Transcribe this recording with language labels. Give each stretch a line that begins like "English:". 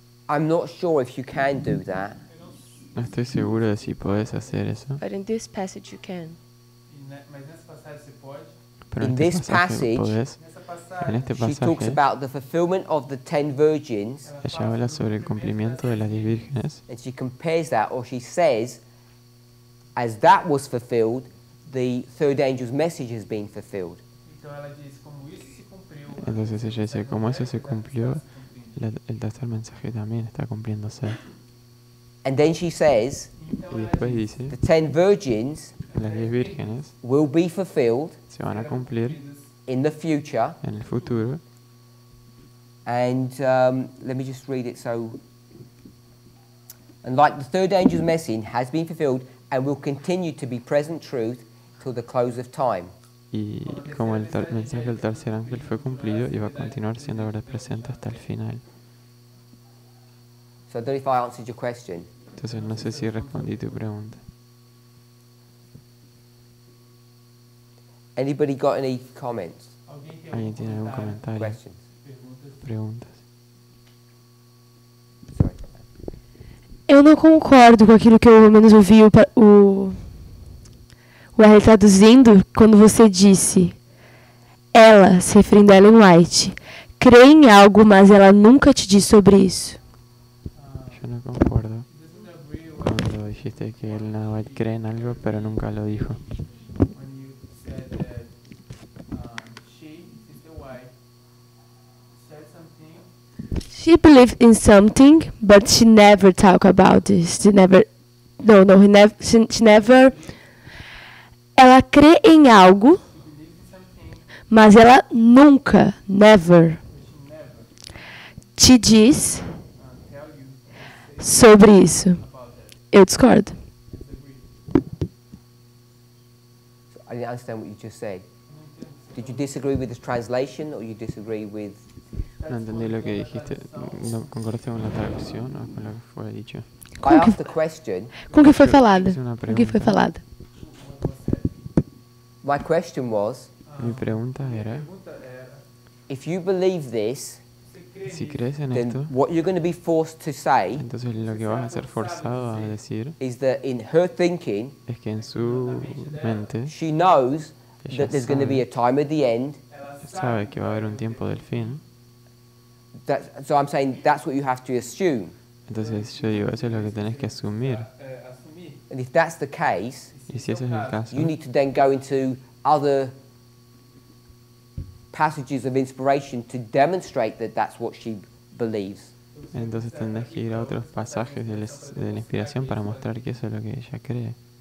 English: I'm not sure if you can do that.
Spanish: No estoy seguro de si puedes hacer eso.
English: But in this passage you can.
Spanish: Pero
English: In this passage,
Spanish: en este pasaje,
English: she talks about the fulfillment of the 10 virgins.
Spanish: Ella habla sobre el cumplimiento de las 10 vírgenes.
English: And she compares that, or she says, as that was fulfilled, the third angel's message has been fulfilled.
Spanish: Entonces ella dice, como eso se cumplió, el tercer mensaje también está cumpliéndose.
English: And then she says,
Spanish: y después dice,
English: the 10 virgins,
Spanish: las 10 vírgenes,
English: will be fulfilled,
Spanish: se van a cumplir,
English: in the future,
Spanish: en el futuro.
English: And let me just read it. So, and like the third angel's message has been fulfilled and will continue to be present truth till the close of time.
Spanish: Y como el mensaje del tercer ángel fue cumplido, iba a continuar siendo verdad presente hasta el final.
English: So I don't know if I answered your question.
Spanish: Entonces no sé si respondí tu pregunta.
English: Anybody got any comments?
Spanish: ¿Alguien tiene algún comentario?
English: Questions.
Spanish: Preguntas.
English: Sorry.
Portuguese: Eu não concordo com aquilo que eu ao menos ouvi o R traduzindo quando você disse ela, se referindo a Ellen White, crê em algo, mas ela nunca te disse sobre isso. Eu não concordo quando dijiste que Ellen White crê em algo,
Spanish: pero nunca lo dijo.
English: She believed in something, but she never talked about this. She never, she never.
Portuguese: Ela crê em algo, mas ela nunca, never, te diz sobre isso. Eu discordo.
English: I didn't understand what you just said. Did you disagree with the translation, or you disagree with?
Spanish: No entendí lo que dijiste. No, ¿concordaste con la traducción o con lo que fue dicho?
Portuguese: ¿Con qué fue falado? ¿Con qué fue falado?
English: My question was.
Spanish: Mi pregunta era.
English: If you believe this,
Spanish: si crees en
English: then
Spanish: esto,
English: what you're going to be forced to say.
Spanish: Entonces lo que vas a ser forzado a decir.
English: Is that in her thinking?
Spanish: Es que en su mente.
English: She knows that there's going to be a time at the end.
Spanish: Sabe que va a haber un tiempo del fin.
English: That, so I'm saying that's what you have to assume.
Spanish: Entonces yo digo, eso es lo que tenés que asumir.
English: And if that's the case,
Spanish: y si ese es el caso,
English: you need to then go into other passages of inspiration to demonstrate that that's what she believes.
Spanish: Entonces tendrás que ir a otros pasajes de la inspiración para mostrar que eso es lo que ella cree.